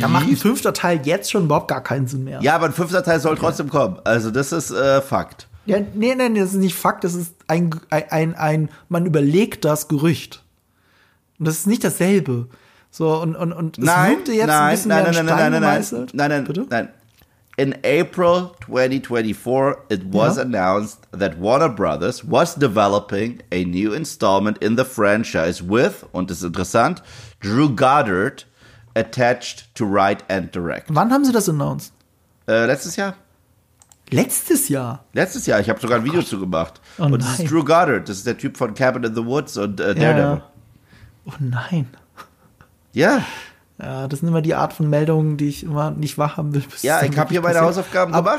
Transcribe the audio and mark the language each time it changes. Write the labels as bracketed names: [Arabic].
[German] Da macht ein fünfter Teil jetzt schon überhaupt gar keinen Sinn mehr. Ja, aber ein fünfter Teil soll trotzdem kommen. Also das ist Fakt. Ja, nee, das ist nicht Fakt, das ist ein man überlegt das Gerücht. Und das ist nicht dasselbe. So, und es wirkte jetzt ein bisschen mehr in Stein gemeißelt. [English] In April 2024, it was announced that Warner Brothers was developing a new installment in the franchise with, [German] und das ist interessant, [English] Drew Goddard attached to write and direct. [German] Wann haben sie das announced? Letztes Jahr. Letztes Jahr? Letztes Jahr. Ich habe sogar ein Video zu gemacht. Oh, und nein. Das ist Drew Goddard. Das ist der Typ von Cabin in the Woods und Daredevil. Oh nein. Ja. Ja, das sind immer die Art von Meldungen, die ich immer nicht wach haben will. Ja, ich habe hier meine Hausaufgaben gemacht.